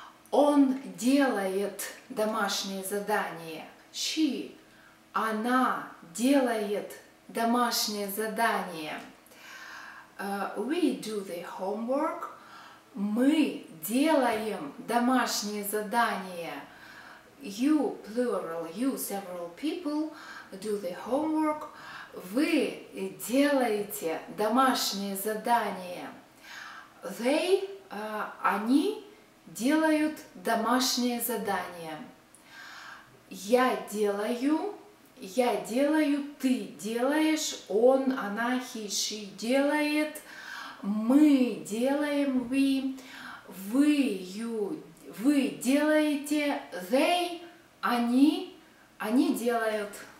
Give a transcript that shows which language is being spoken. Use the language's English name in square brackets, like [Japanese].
[Russian] Он делает домашнее задание. She, она делает домашнее задание. [English] We do the homework. [Russian] Мы делаем домашнее задание. [English] You, plural, you, several people, do the homework. [Russian] Вы делаете домашнее задание. They, они делают домашнее задание. Я делаю, ты делаешь, он, она, he, she делает, мы делаем, we, вы, you, вы делаете, they, они делают.